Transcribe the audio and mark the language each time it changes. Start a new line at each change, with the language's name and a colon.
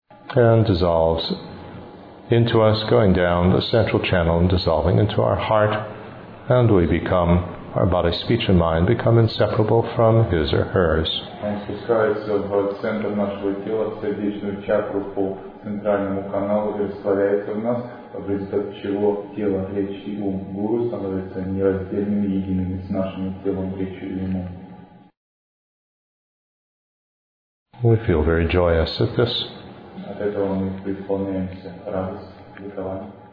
English: And dissolves into us, going down the central channel and dissolving into our heart. And we become, our body, speech, and mind become inseparable from his or hers.
Russian: Он спускается в центр нашего тела, в сердечную чакру по центральному каналу и растворяется в нас, в результате чего тело, речь и ум гуру становятся нераздельными, едиными с нашим телом, речью и умом.
English: We feel very joyous at this.
Russian: От этого мы преисполняемся радость, ликование.